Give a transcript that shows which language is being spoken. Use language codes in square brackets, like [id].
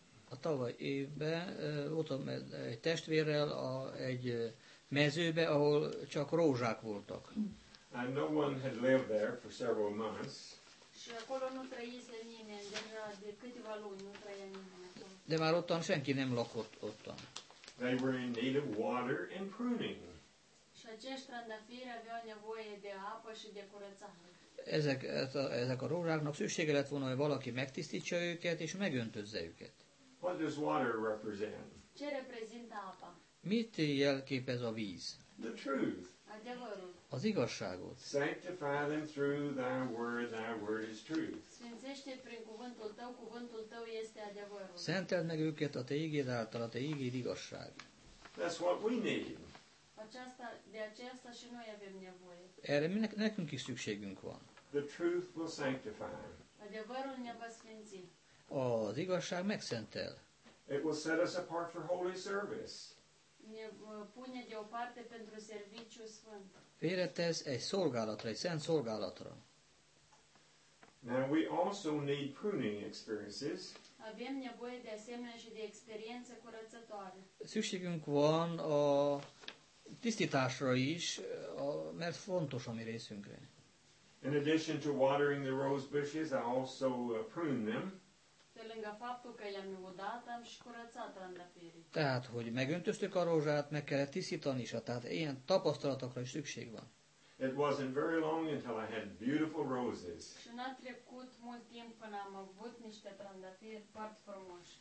[hu] A tavaly évben voltam egy testvérrel egy mezőbe, ahol csak rózsák voltak. [en] And no one had lived there for several months. [ro] Și acolo nu trăise nimeni, deja de câteva luni nu trăia nimeni. [hu] De már ottan senki nem lakott ottan. [en] They were in need of water and pruning. [ro] Și acești trandafiri aveau nevoie de apă și de curățare. [hu] Ezek a rózsáknak szüksége lett volna, hogy valaki megtisztítsa őket és megöntözze őket. [en] What does water represent? [ro] Ce reprezintă apa? [hu] Mit jelképez a víz? [en] The truth. [hu] Az igazságot. [en] Sanctify them through thy word is truth. [ro] Sfințește prin cuvântul tău este adevărul. [hu] Szenteld meg őket a te ígéd által, a te ígéd igazság. [en] That's what we need. [ro] De aceasta și noi avem nevoie. [hu] Erre nekünk is szükségünk van. [en] The truth will sanctify. [ro] Adevărul ne va sfinți. [hu] Az igazság megszentel. [en] It will set us apart for holy service. [ro] Ne pune deoparte pentru serviciu sfânt. [hu] Féletez egy szolgálatra, egy szent szolgálatra. [en] Now we also need pruning experiences. [ro] Avem nevoie de asemenea și de experiență curățătoare. [hu] Szükségünk van a tisztításra is, mert fontos a mi részünkre. [en] In addition to watering the rose bushes, I also prune them. [ro] De lângă faptul că i-am udat, am și curățat randapirii. [hu] Tehát, hogy megöntöztük a rózsát, meg kellett tisztítani is, tehát ilyen tapasztalatokra is szükség van. [en] It wasn't very long until I had beautiful roses. [ro] Și n-a trecut mult timp până am avut niște trandafiri foarte frumoși.